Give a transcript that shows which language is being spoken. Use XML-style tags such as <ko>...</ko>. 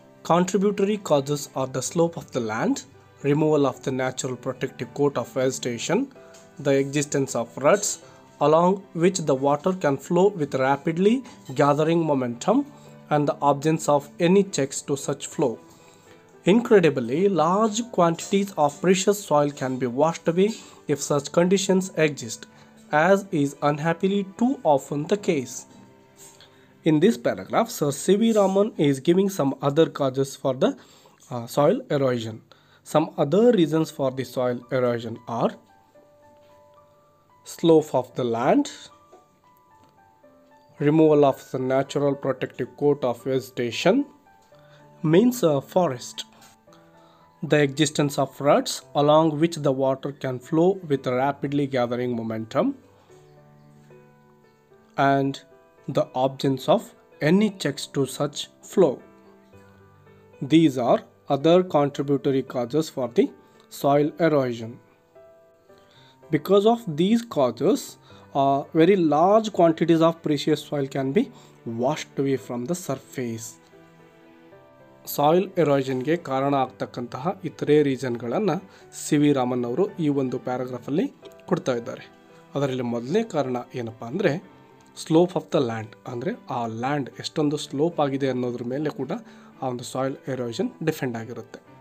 <en>Contributory causes are the slope of the land, removal of the natural protective coat of vegetation, the existence of ruts along which the water can flow with rapidly gathering momentum and the absence of any checks to such flow. Incredibly, large quantities of precious soil can be washed away if such conditions exist, as is unhappily too often the case. In this paragraph, Sir C.V. Raman is giving some other causes for the soil erosion. Some other reasons for the soil erosion are slope of the land, removal of the natural protective coat of vegetation, means a forest. The existence of ruts along which the water can flow with a rapidly gathering momentum and the absence of any checks to such flow. These are other contributory causes for the soil erosion. Because of these causes, very large quantities of precious soil can be washed away from the surface.</en> <kn>Soil ಎರೋಷನ್ಗೆ ಕಾರಣ ಆಗ್ತಕ್ಕಂತಹ ಇತರೆ ರೀಸನ್ಗಳನ್ನು C V Raman ಅವರು ಈ ಒಂದು ಪ್ಯಾರಾಗ್ರಾಫಲ್ಲಿ ಕೊಡ್ತಾ ಇದ್ದಾರೆ. ಅದರಲ್ಲಿ ಮೊದಲನೇ ಕಾರಣ ಏನಪ್ಪ ಅಂದರೆ,</kn> <en>slope of the land,</en> <kn>ಅಂದರೆ ಆ ಲ್ಯಾಂಡ್ ಎಷ್ಟೊಂದು ಸ್ಲೋಪ್ ಆಗಿದೆ ಅನ್ನೋದ್ರ ಮೇಲೆ ಕೂಡ ಆ ಒಂದು ಸಾಯಿಲ್ ಎರೋಷನ್ ಡಿಫೆಂಡ್ ಆಗಿರುತ್ತೆ.</kn>